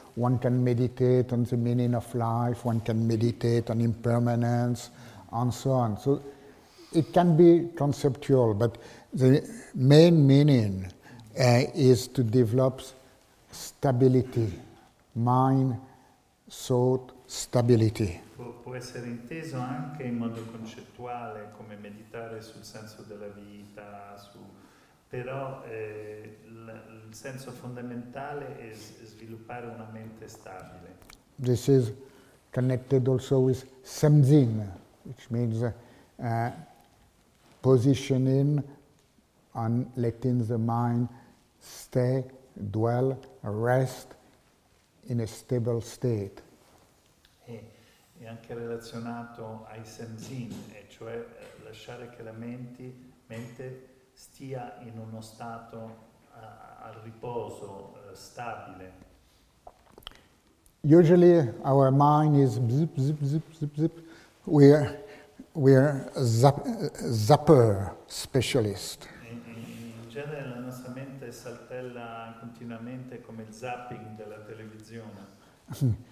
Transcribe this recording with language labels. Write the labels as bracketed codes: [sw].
[en] One can meditate on the meaning of life, one can meditate on impermanence, and so on. So it can be conceptual, but the main meaning is to develop stability, mind, thought, stability. [it] Può essere inteso anche in modo concettuale, come meditare sul senso della vita, su però il senso fondamentale è sviluppare una mente stabile. [en] This is connected also with samzin, which means positioning and letting the mind stay, dwell, rest in a stable state. [it] È anche relazionato ai samzin, e cioè lasciare che la mente stia in uno stato al riposo, stabile. [en] Usually our mind is zip, zip, zip, zip, zip. We're zapper specialist. [it] In genere la nostra mente saltella continuamente come il zapping della televisione.